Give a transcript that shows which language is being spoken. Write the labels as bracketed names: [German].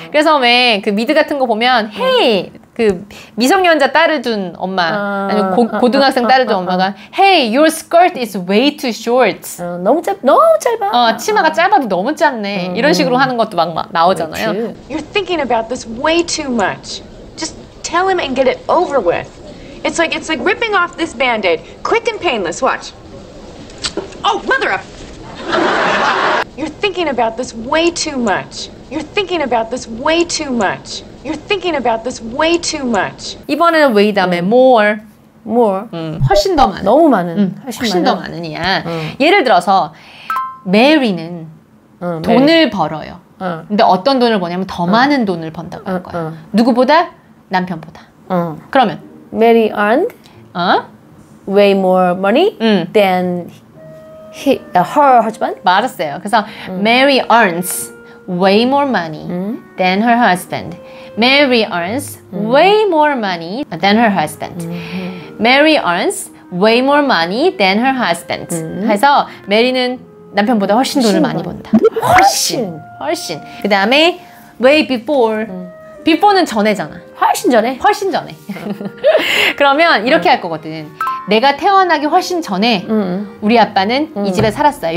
[Korean] 그래서 왜 그 미드 같은 거 보면 hey 그 미성년자 딸을 둔 엄마 아니면 고등학생 딸을 둔 엄마가 [English] hey your skirt is way too short. [Korean] 너무 짧아. 치마가 짧아도 너무 짧네. 이런 식으로 하는 것도 막 나오잖아요. [English] You're thinking about this way too much. Just tell him and get it over with. It's like ripping off this band-aid. Quick and painless. Watch. Oh, mother of... You're thinking about this way too much. You're thinking about this way too much. You're thinking about this way too much. [Korean] 이번에는 way 다음에 more. [English] More. [Korean] 훨씬 더 많은. 너무 많은. 훨씬 더 많은 이야. 예를 들어서 메리는 돈을 메리. 벌어요. 근데 어떤 돈을 버냐면 더 많은 돈을 번다고 할 거야. 누구보다? 남편보다. 그러면 [English] Mary earned way more money than her husband. [Korean] 맞았어요. 그래서 [English] Mary earns way more money than her husband. Mary earns way more money than her husband. Mary earns way more money than her husband. [Korean] 그래서 Mary는 남편보다 훨씬 돈을 많이 번다. 훨씬. 그 다음에 way before. Before는 전에잖아. 훨씬 전에. 그러면 이렇게 할 거거든. 내가 태어나기 훨씬 전에 우리 아빠는 이 집에 살았어요.